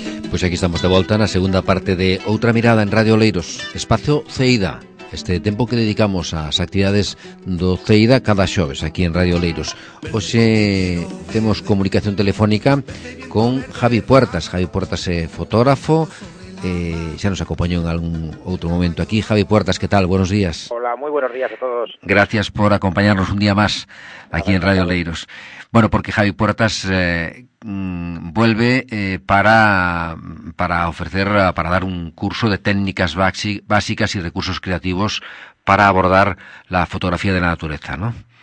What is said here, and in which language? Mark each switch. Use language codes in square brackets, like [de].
[es] Pues aquí estamos [gl] de volta [es] en la segunda parte de Outra Mirada en Radio Leiros, espacio CEIDA. [gl] Este tempo que dedicamos ás actividades do CEIDA cada xoves aquí en Radio Leiros. Hoxe temos comunicación telefónica con Javi Puertas. Javi Puertas é fotógrafo, xa nos acompañou en algún outro momento aquí. Javi Puertas, que tal? [es] Buenos días. [gl] Hola, moi [es] buenos días [gl] a todos. [es] Gracias por acompañarnos un día más aquí en Radio Leiros. Bueno, porque Javi Puertas vuelve para ofrecer, para dar un curso de técnicas básicas y recursos creativos para abordar la fotografía de la naturaleza, ¿no?